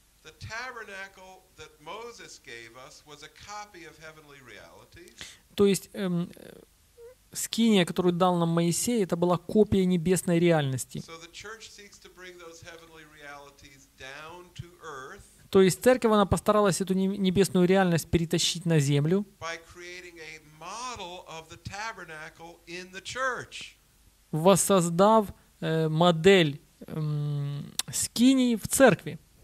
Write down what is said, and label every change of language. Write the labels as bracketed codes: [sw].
[en] the tabernacle that Moses gave us was a copy of heavenly realities. [ru] То есть скиния, которую дал нам Моисей, это была копия небесной реальности. [en] So the church seeks to bring those heavenly realities down to earth. [ru] То есть церковь, она постаралась эту небесную реальность перетащить на землю. [en] By creating a model of the tabernacle in the church. [ru] Воссоздав модель скинии в церкви.